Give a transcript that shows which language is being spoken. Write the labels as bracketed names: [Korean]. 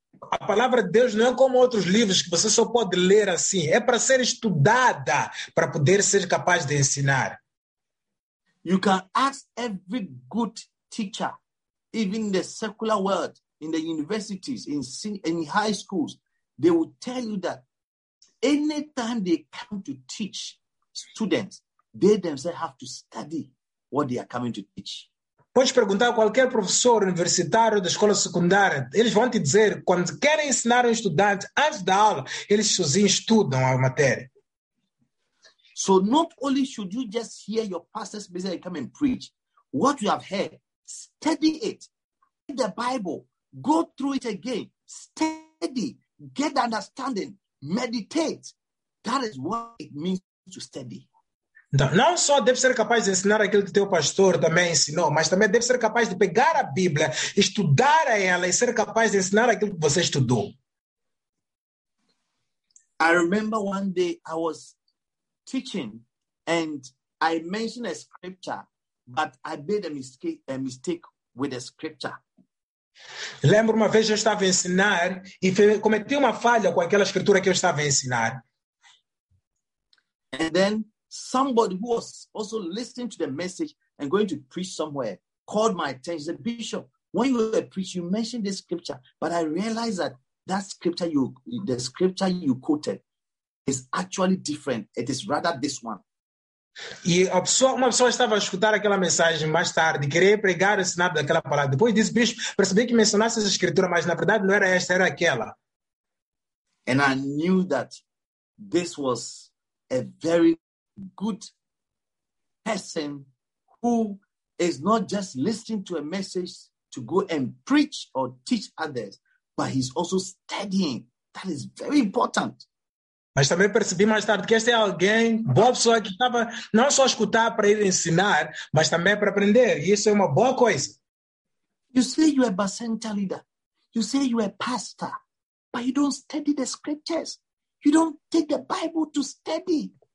[Portuguese] A palavra de Deus não é como outros livros que você só pode ler assim. É para ser estudada, para poder ser capaz de ensinar. [English] You can ask every good teacher, even in the secular world, in the universities, in high schools, they will tell you that anytime they come to teach students, they themselves have to study what they are coming to teach. [Portuguese] Podes perguntar a qualquer professor universitário da escola secundária. Eles vão te dizer, quando querem ensinar um estudante, antes da aula, eles sozinhos estudam a matéria. [English] So not only should you just hear your pastor's message and come and preach, what you have heard, study it. Read the Bible. Go through it again. Study. Get understanding. Meditate. That is what it means to study. [Portuguese] Não só deve ser capaz de ensinar aquilo que teu pastor também ensinou, mas também deve ser capaz de pegar a Bíblia, estudar ela e ser capaz de ensinar aquilo que você estudou. [English] I remember one day I was teaching and I mentioned a scripture, but I made a mistake with the scripture. [Portuguese] Lembro uma vez eu estava a ensinar e cometi uma falha com aquela escritura que eu estava a ensinar. [English] And then somebody who was also listening to the message and going to preach somewhere called my attention. He said, Bishop, when you were preaching, you mentioned this scripture, but I realized that the scripture you quoted is actually different. It is rather this one. [Portuguese] E uma pessoa estava a escutar aquela mensagem mais tarde, queria pregar o sinal daquela palavra. Depois disse, Bishop, percebi que mencionasse essa escritura, mas na verdade não era esta, era aquela. [English] And I knew that this was a very good person who is not just listening to a message to go and preach or teach others, but he's also studying. That is very important. [Portuguese] Mas também percebi mais tarde que este é alguém, boa pessoa, que estava não só a escutar para ir ensinar, mas também para aprender. E isso é uma boa coisa. [English] You say you are a Bacenta leader. You say you are a pastor. But you don't study the scriptures. You don't take the Bible to study.